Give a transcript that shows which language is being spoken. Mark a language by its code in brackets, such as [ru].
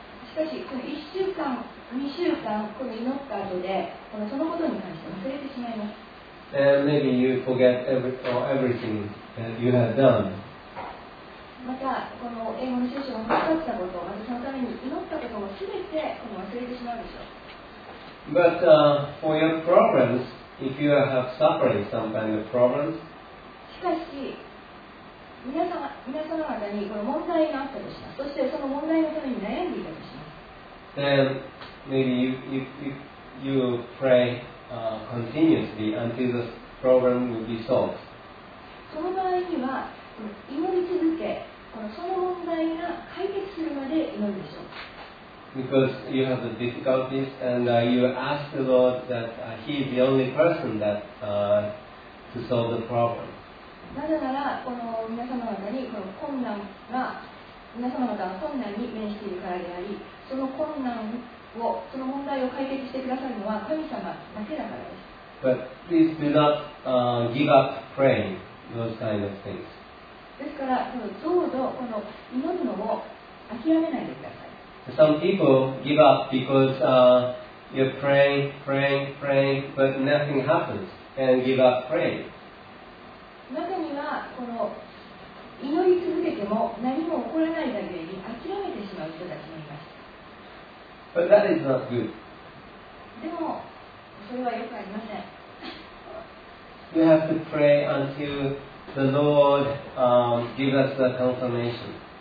[ja] しかし、この1週間、2週間、この祈った後で、このそのことに関して忘れてしまいます。 [en] And maybe you forget everything that you have done. [ja] またこの英語の聖書が分かったこと、またそのために祈ったことをすべてこの忘れてしまうでしょう。 [en] But for your problems, if you have suffering some kind of problems, [ja] しかし皆様方にこの問題があったとします。そしてその問題のために悩んでいたとします。 [en] Then maybe you pray continuously until the problem will be solved. [ja] その場合には祈り続け。その問題が解決するまで祈るでしょう。 [en] Because you have the difficulties and you ask the Lord that He is the only person that to solve the problem. [ja] なぜならこの皆様方にこの困難が皆様方は困難に面しているからであり、その困難をその問題を解決してくださるのは神様だけだからです。 [en] But please do not give up praying those kind of things. [ja] ですから、どうぞこの祈るのを諦めないでください。 [en] Some people give up because you're praying, but nothing happens, and give up praying. [ja] 中にはこの祈り続けても何も起こらないだけに諦めてしまう人たちもいます。 [en] But that is not good. [ja] でも、それはよくありません。 [en] You have to pray until. The Lord give us the confirmation.